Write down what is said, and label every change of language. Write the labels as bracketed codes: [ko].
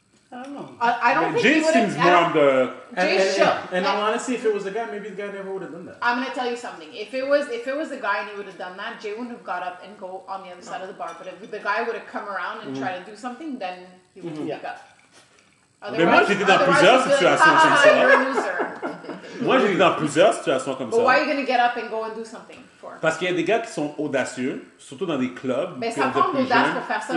[en] I don't know. I don't think Jay seems more on the... Jay's shook. And honestly, if it was a guy, maybe the guy never would have done that. I'm going to tell you something. If it was a guy and he would have done that, Jay wouldn't have got up and go on the other side of the bar. But if the guy would have come around and try to do something, then he would pick up. Otherwise, [fr] mais moi j'étais dans plusieurs situations comme ça. Moi j'étais dans plusieurs situations comme ça. [en] But why are you gonna get up and go and do something for? [fr] Parce qu'il y a des gars qui sont audacieux, surtout dans des clubs. Mais ça prend de l'audace pour faire ça.